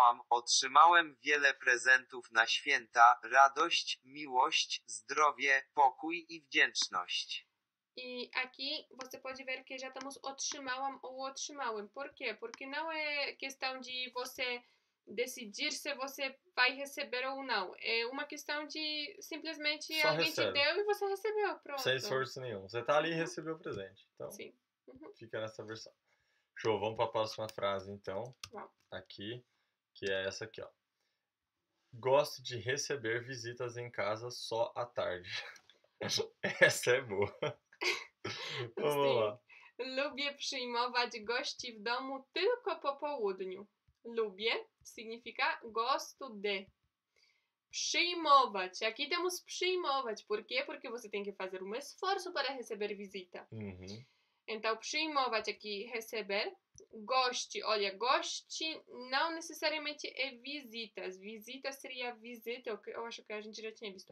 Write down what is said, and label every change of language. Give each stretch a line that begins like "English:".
Polish: Otrzymałem wiele prezentów na święta. Radość, miłość, zdrowie, pokój i wdzięczność.
Portuguese: I aqui você pode ver que já estamos otrzymałam ou otrzymałem. Por quê? Porque não é questão de você decidir se você vai receber ou não. É uma questão de simplesmente só alguém recebe. Te deu e você recebeu. Pronto. Sem esforço nenhum. Você tá ali e recebeu o presente. Então, sim. Uhum. Fica nessa versão. Show, vamos para a próxima frase, então, aqui, que é essa aqui, ó. Gosto de receber visitas em casa só à tarde. Essa é boa. Vamos sim. Lá.
Polish: Lubię przyjmować gości w domu tylko po południu.
Portuguese: Lubię significa gosto de. Przyjmować. Aqui temos przyjmować. Por quê? Porque você tem que fazer um esforço para receber visita. Uhum. Então, przyjmować aqui, receber. Goste, olha, goste não necessariamente é visitas. Visita seria visita, eu acho que a gente já tinha visto.